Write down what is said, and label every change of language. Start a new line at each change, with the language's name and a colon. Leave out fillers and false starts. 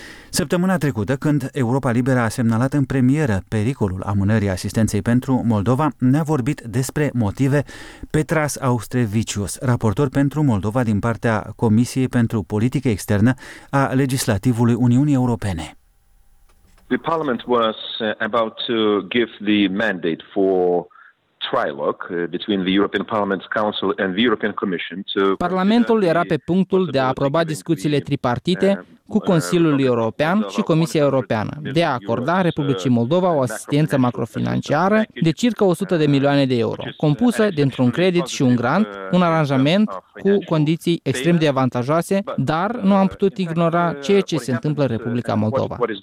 Romanian: Săptămâna trecută, când Europa Liberă a semnalat în premieră pericolul amânării asistenței pentru Moldova, ne-a vorbit despre motive Petras Austrevičius, raportor pentru Moldova din partea Comisiei pentru Politică Externă a Legislativului Uniunii Europene.
English: The Parliament was about to give the mandate for trilogue between the European Parliament's Council and the European Commission to
Romanian: Parlamentul era pe punctul de a aproba discuțiile tripartite cu Consiliul European și Comisia Europeană de a acorda Republicii Moldova o asistență macrofinanciară de circa 100 de milioane de euro, compusă dintr-un credit și un grant, un aranjament cu condiții extrem de avantajoase, dar nu am putut ignora ceea ce se întâmplă în Republica Moldova.